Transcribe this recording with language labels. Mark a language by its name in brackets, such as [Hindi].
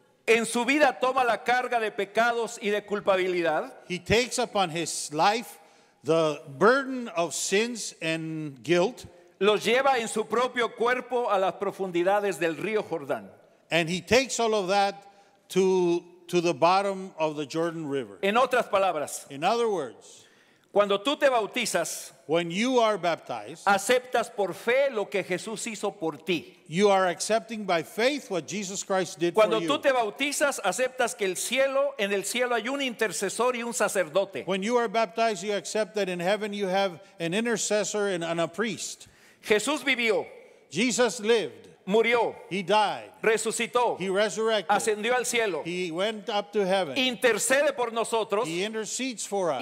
[Spanish] en su vida toma la carga de pecados y de culpabilidad. [English] He takes upon his life the burden of sins and guilt. [Spanish] Los lleva en su propio cuerpo a las profundidades del río Jordán. [English] And he takes all of that to the bottom of the Jordan River. [Spanish] En otras palabras, [English] in other words, [Spanish] cuando tú te bautizas, [English] when you are baptized, [Spanish] aceptas por fe lo que Jesús hizo por ti. [English] You are accepting by faith what Jesus Christ did [Spanish] cuando [English] for you. [Spanish] Cuando tú te bautizas, aceptas que en el cielo hay un intercesor y un sacerdote. [English] When you are baptized, you accept that in heaven you have an intercessor and a priest. [Spanish] Jesús vivió. [English] Jesus lived. [Spanish] Murió. [English] He died. [Spanish] Resucitó. [English] He resurrected. [Spanish] Ascendió al cielo. [English] He went up to heaven. [Spanish] Intercede por nosotros. [English] He intercedes for us.